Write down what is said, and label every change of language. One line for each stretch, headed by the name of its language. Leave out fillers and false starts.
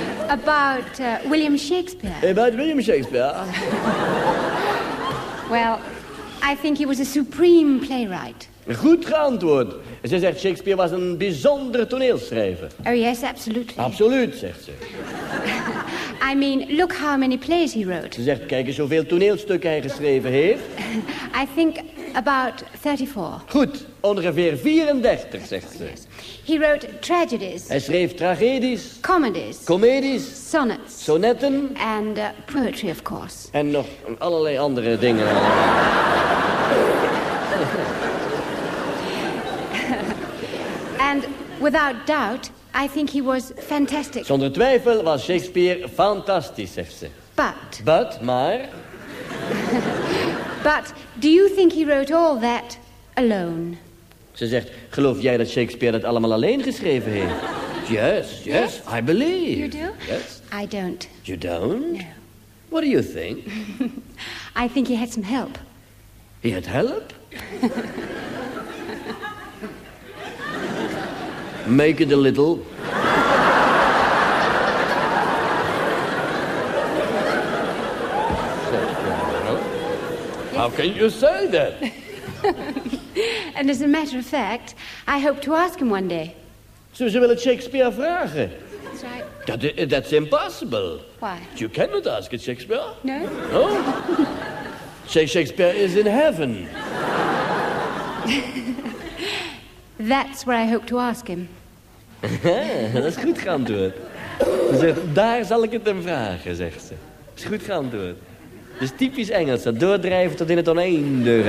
English: About William Shakespeare. About William Shakespeare. Well, I think he was a supreme playwright.
Dutch: Goed geantwoord. Ze zegt Shakespeare was een bijzonder toneelschrijver.
English: Oh yes, absolutely.
Dutch: Absoluut, zegt ze.
English: I mean, look how many plays he wrote.
Dutch: Ze zegt, kijk eens hoeveel toneelstukken hij geschreven heeft.
English: I think about 34.
Dutch: Goed, ongeveer 34, zegt ze.
English: Yes. He wrote tragedies.
Dutch: Hij schreef tragedies.
English: Comedies. Comedies. Sonnets.
Dutch: Sonetten.
English: And poetry, of course.
Dutch: En nog allerlei andere dingen.
English: And without doubt, I think he was fantastic.
Dutch: Zonder twijfel was Shakespeare fantastisch, zegt ze.
English: But.
Dutch: But, maar.
English: But, do you think he wrote all that alone?
Dutch: Ze zegt, geloof jij dat Shakespeare dat allemaal alleen geschreven heeft?
English: Yes, I believe. You do? Yes. I don't. You don't? No. What do you think? I think he had some help. He had help? Make it a little. How can you say that? And as a matter of fact, I hope to ask him one day.
Dutch: So ze willen Shakespeare vragen?
English: That's right. That's impossible. Why? You cannot ask it, Shakespeare. No? No? Shakespeare is in heaven. That's where I hope to ask him.
Dutch: Dat is goed geantwoord. Ze zegt, daar zal ik het hem vragen, zegt ze. Dat is goed geantwoord. Dat is typisch Engels, dat doordrijven tot in het oneindige.